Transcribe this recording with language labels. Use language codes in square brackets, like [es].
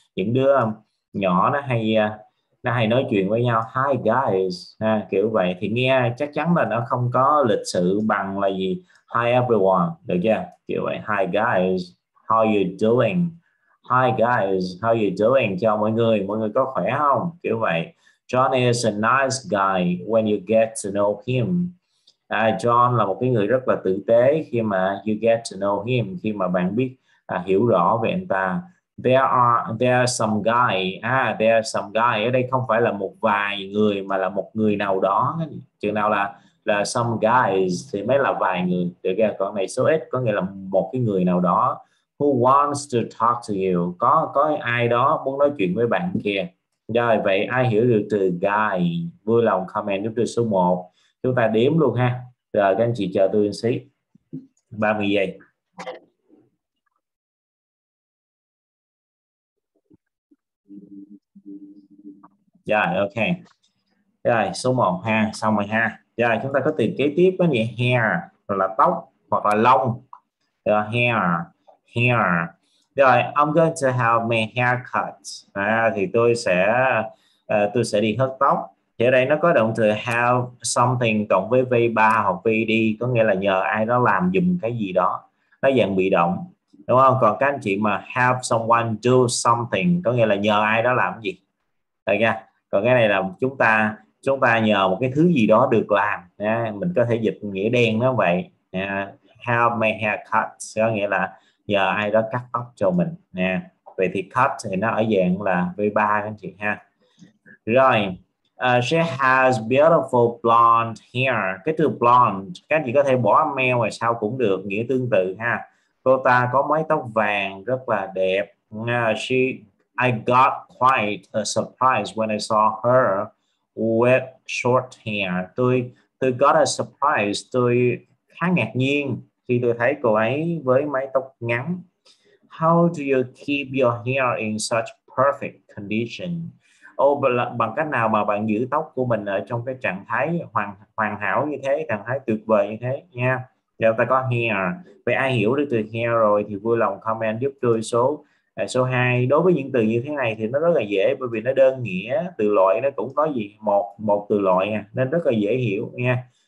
[vi] Những đứa nhỏ nó hay nói chuyện với nhau, hi guys, à, kiểu vậy thì nghe chắc chắn là nó không có lịch sự bằng là gì, hi everyone, được chưa? [en] Kiểu vậy, hi guys, how you doing? Hi guys, how you doing? [vi] Chào mọi người có khỏe không? Kiểu vậy. [en] John is a nice guy when you get to know him. [vi] John là một cái người rất là tử tế khi mà you get to know him, khi mà bạn biết hiểu rõ về anh ta. There are some guy ở đây không phải là một vài người mà là một người nào đó, chừng nào là some guys thì mới là vài người, được chưa? Còn này số ít có nghĩa là một cái người nào đó who wants to talk to you, có ai đó muốn nói chuyện với bạn kia. Rồi vậy ai hiểu được từ guy vui lòng comment giúp tôi số 1. Chúng ta đếm luôn ha. Rồi các anh chị chờ tôi một xí. 30 giây. Ok. Rồi số 1 ha, xong rồi ha. Rồi chúng ta có từ kế tiếp có nghĩa hair là tóc hoặc là lông. Hair, hair. [en] Rồi, I'm going to have my hair cut. [vi] À, thì tôi sẽ đi hớt tóc. Thì ở đây nó có động từ have something cộng với V3 hoặc VD, có nghĩa là nhờ ai đó làm giùm cái gì đó. Nó dạng bị động, đúng không? Còn các anh chị mà have someone do something, có nghĩa là nhờ ai đó làm gì. Đây nha. Còn cái này là chúng ta nhờ một cái thứ gì đó được làm. À, mình có thể dịch nghĩa đen nó vậy. À, have my hair cut, có nghĩa là nhờ ai đó cắt tóc cho mình nè. Vậy thì cut thì nó ở dạng là V3 anh chị ha. Rồi, she has beautiful blonde hair. Cái từ blonde các chị có thể bỏ âm meo ngoài sau cũng được, nghĩa tương tự ha. Cô ta có mái tóc vàng rất là đẹp. [en] I got quite a surprise when I saw her with short hair. [vi] Tôi got a surprise, tôi khá ngạc nhiên khi tôi thấy cô ấy với mái tóc ngắn. [en] How do you keep your hair in such perfect condition? [vi] Bằng cách nào mà bạn giữ tóc của mình ở trong cái trạng thái hoàn hảo như thế, trạng thái tuyệt vời như thế nha. Giờ ta có hair. Vậy ai hiểu được từ hair rồi thì vui lòng comment giúp tôi số 2. Đối với những từ như thế này thì nó rất là dễ bởi vì nó đơn nghĩa, từ loại nó cũng có gì một một từ loại nha, nên rất là dễ hiểu nha.